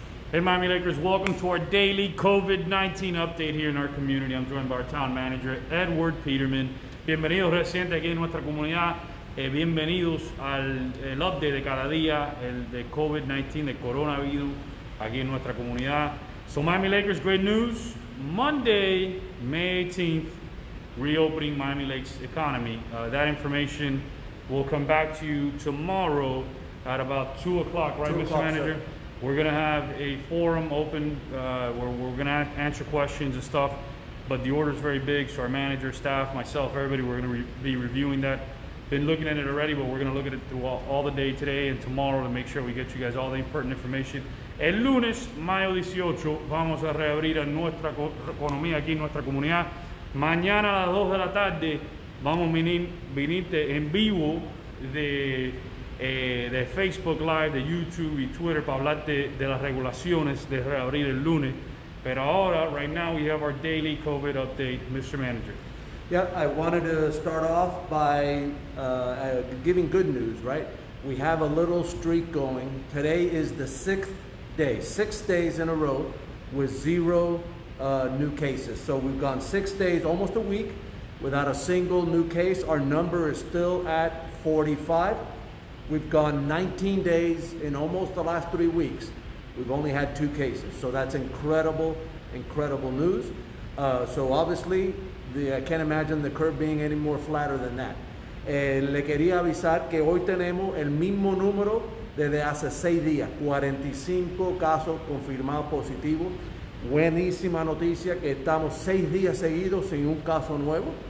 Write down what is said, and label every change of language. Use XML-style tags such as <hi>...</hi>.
<en>Hey, Miami Lakers, welcome to our daily COVID-19 update here in our community. I'm joined by our town manager, Edward Pidermann.</en> <es>Bienvenidos residentes aquí en nuestra comunidad. Bienvenidos al el update de cada día, el de COVID-19, de coronavirus, aquí en nuestra comunidad.</es> <en>So, Miami Lakers, great news. Monday, May 18th, reopening Miami Lakes economy. That information will come back to you tomorrow at about 2 o'clock, right, 2 o'clock, Mr. Manager? Sir. We're gonna have a forum open where we're gonna answer questions and stuff, but the order is very big, so our manager, staff, myself, everybody, we're gonna be reviewing that. Been looking at it already, but we're gonna look at it through all the day today and tomorrow to make sure we get you guys all the important information.</en> <es>El lunes, mayo 18, vamos a reabrir a nuestra economía aquí en nuestra comunidad. Mañana a las 2 de la tarde, vamos a venirte en vivo de Facebook Live, de YouTube y Twitter para hablar de las regulaciones de reabrir el lunes. Pero ahora,</es> <en>right now, we have our daily COVID update, Mr. Manager. Yeah, I wanted to start off by giving good news, right? We have a little streak going. Today is the sixth day, 6 days in a row with zero new cases. So we've gone 6 days, almost a week, without a single new case. Our number is still at 45. We've gone 19 days in almost the last 3 weeks. We've only had two cases. So that's incredible, incredible news. So obviously, I can't imagine the curve being any more flatter than that.</en> <es>Le quería avisar que hoy tenemos el mismo número desde hace 6 días, 45 casos confirmados positivos. Buenísima noticia que estamos 6 días seguidos sin un caso nuevo.</es>